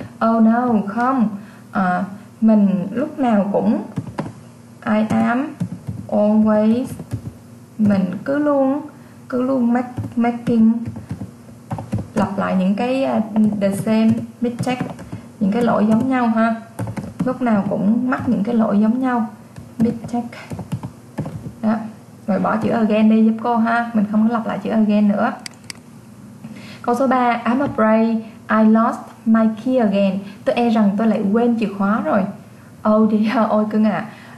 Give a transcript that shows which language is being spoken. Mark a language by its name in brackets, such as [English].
[English] Oh no, [Vietnamese] không. Mình lúc nào cũng [English] I am always, [Vietnamese] mình cứ luôn [English] making, [Vietnamese] lặp lại những cái [English] the same mistake, [Vietnamese] những cái lỗi giống nhau ha. Lúc nào cũng mắc những cái lỗi giống nhau, mistake. Đó. Rồi bỏ chữ again đi giúp cô ha, mình không có lặp lại chữ again nữa. Câu số 3, [English] I'm afraid I lost my key again. [Vietnamese] Tôi e rằng tôi lại quên chìa khóa rồi. [English] Oh dear, [Vietnamese] ôi cưng ạ.